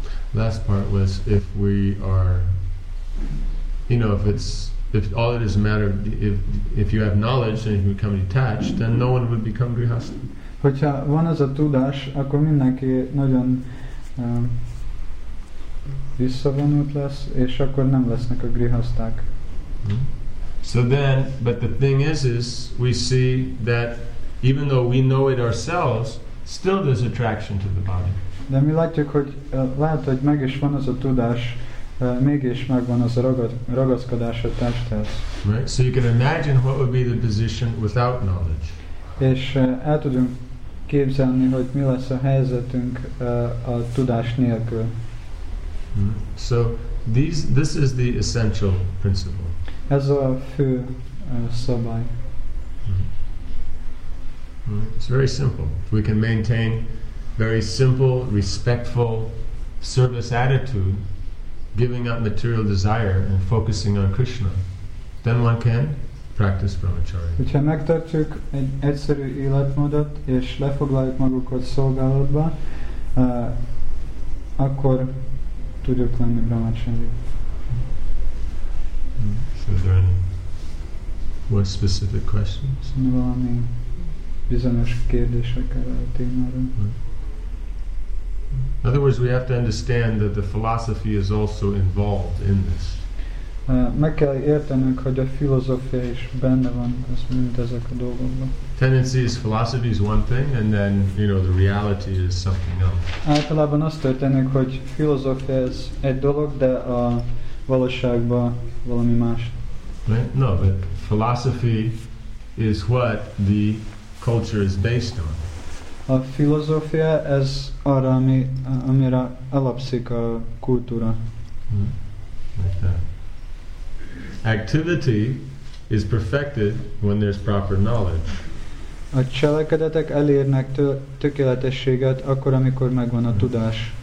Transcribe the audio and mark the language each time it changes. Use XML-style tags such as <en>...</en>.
<en>Last part was if we are, you know, if it's, if all it is a matter of, if you have knowledge and you become detached, then no one would become grihasta.</en> <hu>Hogyha van az a tudás, akkor mindenki nagyon visszavonult lesz, és akkor nem lesznek a grihaszták.</hu> <en>So then, but the thing is we see that even though we know it ourselves, still there's attraction to the body.</en> <hu>De mi látjuk, hogy lehet, hogy meg is van az a tudás, mégis megvan az a ragaszkodás a testhez.</hu> <en>Right? So you can imagine what would be the position without knowledge.</en> <hu>És el tudunk képzelni, hogy mi lesz a helyzetünk a tudás nélkül.</hu> <en>So this is the essential principle.</en> <hu>Ez a fő szabály.</hu> <en>It's very simple. We can maintain very simple, respectful service attitude, giving up material desire and focusing on Krishna. Then one can practice brahmacharya.</en> <hu>Hogyha megtartjuk egy egyszerű életmódot és lefoglaljuk magukat szolgálatba, akkor tudjuk lenni brahmacharya.</hu> <en>So is there any more specific questions?</en> <hu>Valami bizonyos kérdések erre a témára.</hu> <en>In other words, we have to understand that the philosophy is also involved in this.</en> <hu>Meg kell értenünk, hogy a filozófia is benne van mint ezek a dolgokban.</hu> <en>Tendency is philosophy is one thing, and then, you know, the reality is something else.</en> <hu>Általában azt történik, hogy filozófia ez egy dolog, de a valóságban valami más.</hu> <en>Right? No, but philosophy is what the culture is based on.</en> <hu>A filozófia ez arra, amire alapszik a kultúra.</hu> <en>Like that. Activity is perfected when there's proper knowledge.</en> <hu>A cselekedetek elérnek tökéletességet akkor, amikor megvan a tudás.</hu>